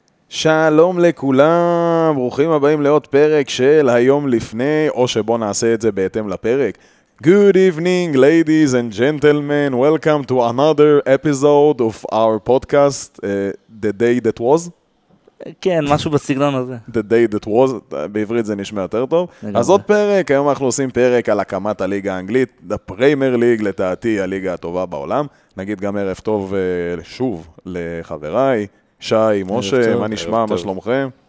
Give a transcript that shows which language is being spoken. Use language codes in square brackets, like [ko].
[he] שלום לכולם, ברוכים הבאים לעוד פרק של היום לפני, או שבוא נעשה את זה בהתאם לפרק. [en] Good evening, ladies and gentlemen, welcome to another episode of our podcast, The Day That Was. [he] כן, משהו בסגנון הזה. The Day That Was, בעברית זה נשמע יותר טוב. אז עוד פרק, היום אנחנו עושים פרק על הקמת הליגה האנגלית, The Premier League, לתעתי הליגה הטובה בעולם. נגיד גם ערב טוב שוב לחבריי. שי, משה, מה נשמע, מה שלומכם?